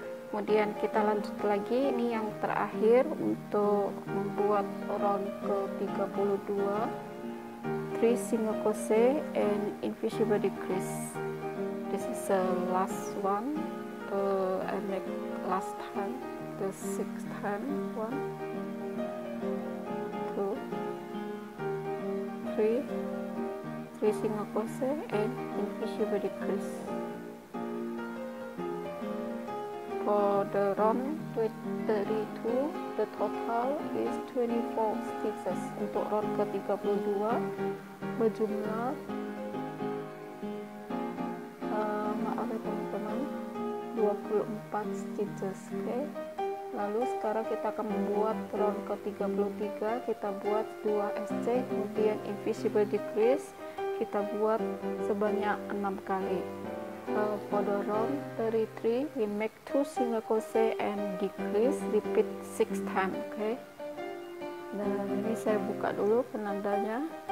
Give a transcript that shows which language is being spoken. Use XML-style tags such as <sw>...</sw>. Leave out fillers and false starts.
<id>Kemudian kita lanjut lagi, ini yang terakhir untuk membuat round ke-32,</id> <en>3 single crochet and invisible decrease. This is the last one, I make last time, the 6th time, 1, 2, 3 single crochet and invisible decrease. For the round 32, the total is 24 stitches.</en> <id>Untuk round ke-32, berjumlah. Maaf ya teman-teman, 24 stitches, oke. Lalu sekarang kita akan membuat round ke-33, kita buat 2 SC, kemudian invisible decrease, kita buat sebanyak 6 kali.</id> <en>For the round 33, we make 2 single crochet and decrease, repeat 6 times, oke. Okay?</en> <id>Dan ini saya buka dulu penandanya.</id>